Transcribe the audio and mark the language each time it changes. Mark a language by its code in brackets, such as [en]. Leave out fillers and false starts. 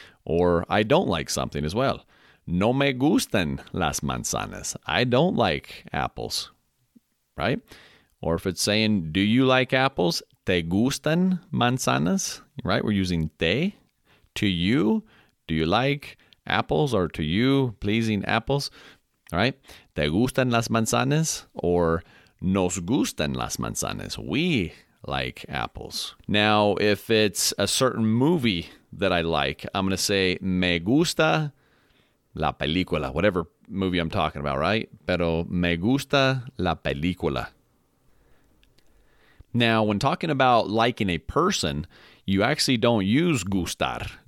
[en] Or I don't like something as well. [es] No me gustan las manzanas. [en] I don't like apples, right? Or if it's saying, do you like apples? [es] Te gustan manzanas, [en] right? We're using te. To you, do you like apples, or to you, pleasing apples, right? [es] Te gustan las manzanas, or nos gustan las manzanas. [en] We like apples. Now, if it's a certain movie that I like, I'm going to say [es] me gusta la película, [en] whatever movie I'm talking about, right? [es] Pero me gusta la película. [en] Now, when talking about liking a person, you actually don't use gustar.